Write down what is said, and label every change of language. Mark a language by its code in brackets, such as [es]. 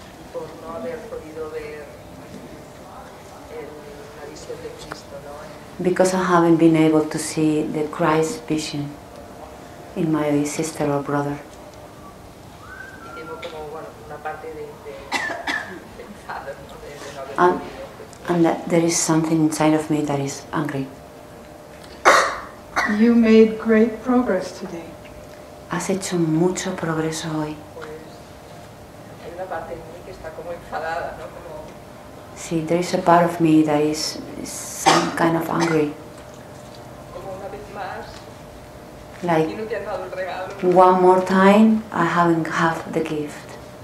[es] por no haber podido ver la visión de Cristo, ¿no? [en] Because I haven't been able to see the Christ vision in my sister or brother. And that there is something inside of me that is angry. You made great progress today. [es] Has hecho mucho progreso hoy. Hay una parte de mí que está como enfadada, ¿no? Como. [en] Sí, there is a part of me that is some kind of angry. [es] Como una vez más. [en] Like. [es] No te han dado el regalo. [en] One more time, I haven't had the gift.